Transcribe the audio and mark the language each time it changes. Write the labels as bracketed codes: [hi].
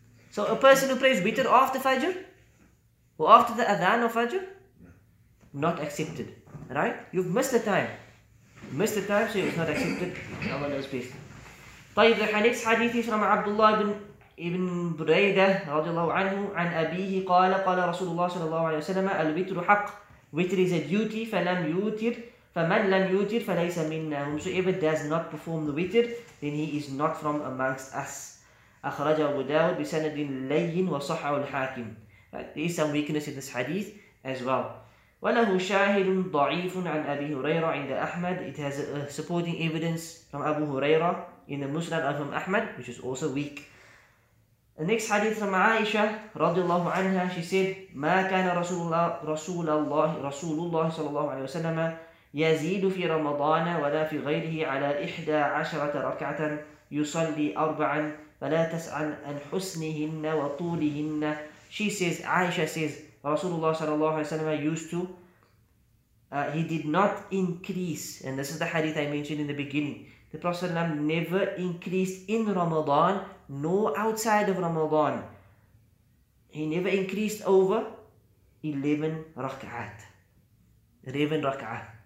[en] So a person who prays witr after Fajr, or after the adhan of Fajr, not accepted, right? You've missed the time. Missed the time, so it was not accepted. Allah knows best. [ar] طيب الحديث حديثي from Abdullah ibn Buraydah رضي الله عنه عن أبيه قال قال رسول الله صلى الله عليه وسلم الوتر حق. [en] Witr is a duty. [ar] فلم يوتر فمن لم يوتر فليس منا. [en] Whomsoever does not perform the witr, then he is not from amongst us. [ar] أخرجه أبو داود بسند لين وصحه الحاكم. [en] There is some weakness in this hadith as well. [ar] وله شاهد ضعيف عن أبي هريرة عند أحمد. [en] It has a supporting evidence from Abu Huraira in the Musnad of Ahmad, which is also weak. The next hadith from Aisha [ar] رضي الله عنها, [en] she said, [ar] ما كان رسول الله صلى الله عليه وسلم يزيد في رمضان ولا في غيره على 11 ركعة يصلي أربعا فلا تسأل عن حسنهن وطولهن. [en] She says, Aisha says, Rasulullah sallallahu alayhi wa sallam used to, he did not increase, and this is the hadith I mentioned in the beginning. The Prophet sallallahu alayhi wa sallam never increased in Ramadan, nor outside of Ramadan. He never increased over 11 rak'at. 11 rak'at.